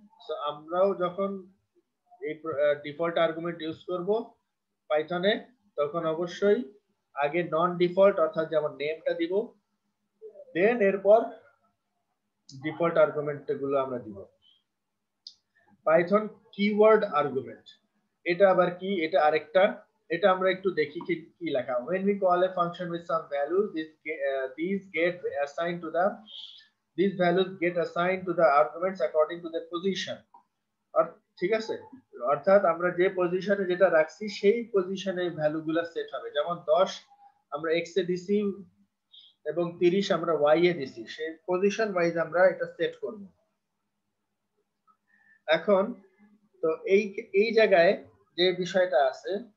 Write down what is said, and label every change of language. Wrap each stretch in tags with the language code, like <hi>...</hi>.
<bn>So আমরাও যখন এই ডিফল্ট আর্গুমেন্ট ইউজ করব পাইথনে, তখন অবশ্যই আগে নন ডিফল্ট, অর্থাৎ যেমন নেমটা দিব, দেন এরপর ডিফল্ট আর্গুমেন্টগুলো আমরা দিব। পাইথন কিওয়ার্ড আর্গুমেন্ট, এটা আবার কি, এটা আরেকটা, এটা আমরা একটু দেখি কি লেখা।</bn> <en>When we call a function with some values, these get assigned to them. These values get assigned to the arguments according to their position.</en> <bn>ঠিক আছে, অর্থাৎ আমরা যে পজিশনে যেটা রাখছি সেই পজিশনে ভ্যালু গুলা সেট হবে। যেমন 10 আমরা x এ দিছি, এবং 30 আমরা y এ দিছি সেই পজিশন वाइज আমরা এটা সেট করব এখন তো এই এই জায়গায় যে বিষয়টা আছে</bn>